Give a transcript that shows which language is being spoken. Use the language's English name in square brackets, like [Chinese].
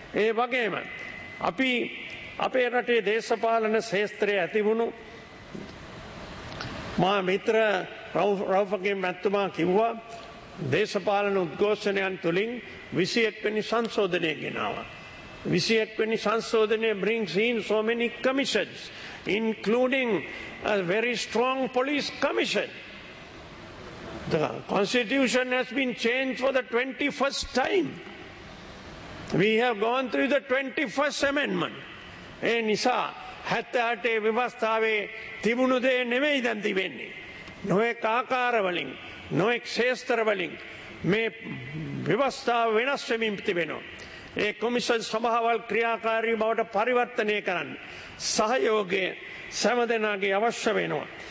[Sinhala] ඒ වගේම අපි අපේ රටේ දේශපාලන ශේස්ත්‍රයේ ඇතිවුණු මා මිත්‍ර රෞෆගේ මැතිතුමා කිව්වා දේශපාලන උද්ඝෝෂණයන් තුළින් 21 සංශෝධනය ගෙනාවා. [English] 21 සංශෝධනය brings in so many commissions, including a very strong police commission. The constitution has been changed for the 21st time. We have gone through the 21st amendment. [Sinhala] ඒ නිසා 78 ව්‍යවස්ථාවේ තිබුණු දේ නෙමෙයි දැන් තිබෙන්නේ. නොඑක් ආකාරවලින්, නොඑක් ශේස්ත්‍රවලින් මේ ව්‍යවස්ථාව වෙනස් වෙමින් තිබෙනවා. ඒ කොමිෂන් සභාවල් ක්‍රියාකාරී බවට පරිවර්තනය කරන්න සහයෝගය සෑම දෙනාගේ අවශ්‍ය වෙනවා.